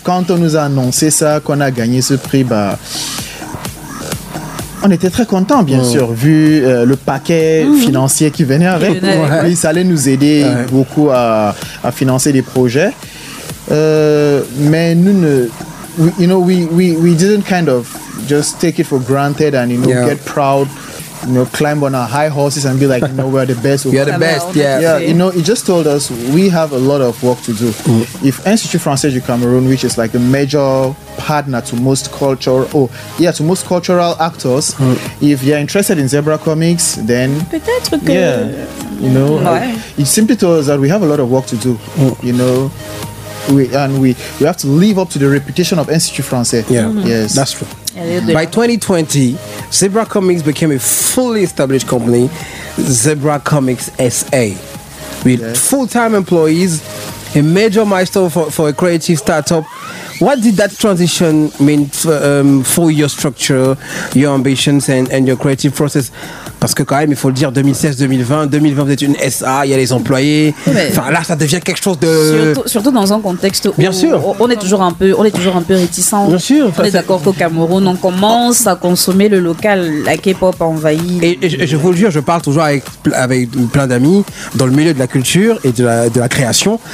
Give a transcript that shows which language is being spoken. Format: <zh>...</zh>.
<fr>quand on nous a annoncé ça, qu'on a gagné ce prix, on était très content, bien sûr, vu le paquet financier qui venait avec. Oui, ça allait nous aider beaucoup à financer des projets. Mais nous ne,</fr> <en>we didn't kind of just take it for granted and get proud, you know, climb on our high horses and be like, you know, we're the best. We are the best. You know, it just told us we have a lot of work to do. If Institut Français du Cameroun, which is like the major partner to most culture to most cultural actors, if you're interested in Zebra Comics, then</en> <fr>peut-être que</fr> <en>you know, it simply told us that we have a lot of work to do. You know, we have to live up to the reputation of Institut Français. Yes, that's true. By 2020, Zebra Comics became a fully established company, Zebra Comics SA, with full-time employees, a major milestone for a creative startup. What did that transition mean for your structure, your ambitions, and your creative process?</en> <fr>Parce que quand même, il faut le dire, 2016-2020, vous êtes une SA, il y a les employés. Enfin, là, ça devient quelque chose de... Surtout dans un contexte où on est toujours un peu réticent. Bien sûr. On est d'accord qu'au Cameroun, on commence à consommer le local, la K-pop envahie. Et je vous le jure, je parle toujours avec plein d'amis dans le milieu de la culture et de la création.</fr>